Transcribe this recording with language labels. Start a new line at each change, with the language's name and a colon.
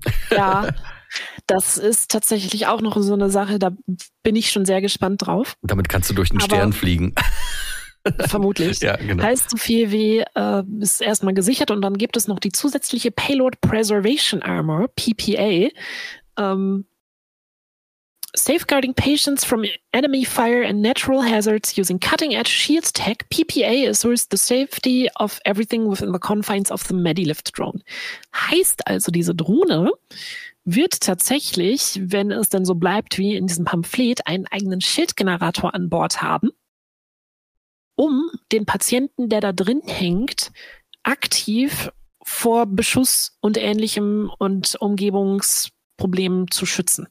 German: Ja, das ist tatsächlich auch noch so eine Sache, da bin ich schon sehr gespannt drauf. Damit kannst du durch den Stern fliegen. Vermutlich. Ja, genau. Heißt so viel wie, ist erstmal gesichert und dann gibt es noch die zusätzliche Payload Preservation Armor, PPA.
English: Safeguarding patients from enemy fire and natural hazards using cutting-edge shields tech, PPA assures the safety of everything within the confines of the Medilift drone.
German: Heißt also, diese Drohne wird tatsächlich, wenn es denn so bleibt wie in diesem Pamphlet, einen eigenen Schildgenerator an Bord haben, um den Patienten, der da drin hängt, aktiv vor Beschuss und Ähnlichem und Umgebungsproblemen zu schützen.